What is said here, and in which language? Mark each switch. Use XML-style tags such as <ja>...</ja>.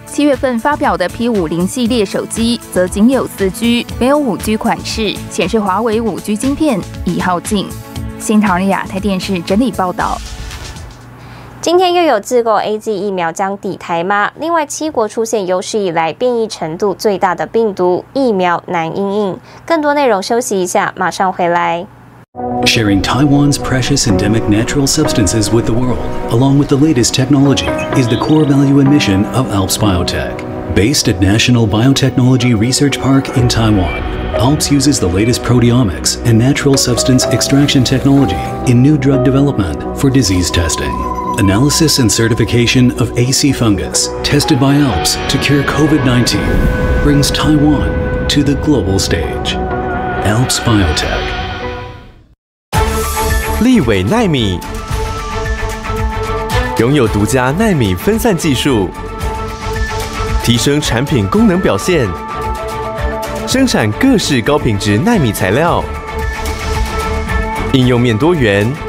<zh>七月份发表的 P50 系列手机则仅有 4G， 没有 5G 款式，显示华为 5G 晶片已耗尽。新唐亚太电视整理报道。今天又有自购 AZ 疫苗将抵台吗？另外七国出现有史以来变异程度最大的病毒，疫苗难因应。更多内容休息一下，马上回来。</zh> <en>Sharing Taiwan's precious endemic natural substances with the world, along with the latest technology, is the core value and mission of Alps Biotech. Based at National Biotechnology Research Park in Taiwan, Alps uses the latest proteomics and natural substance extraction technology in new drug development for disease testing. Analysis and certification of AC fungus, tested by Alps to cure COVID-19, brings Taiwan to the global stage. Alps Biotech.</en> <zh>立伟奈米拥有独家奈米分散技术，提升产品功能表现，生产各式高品质奈米材料，应用面多元。</zh>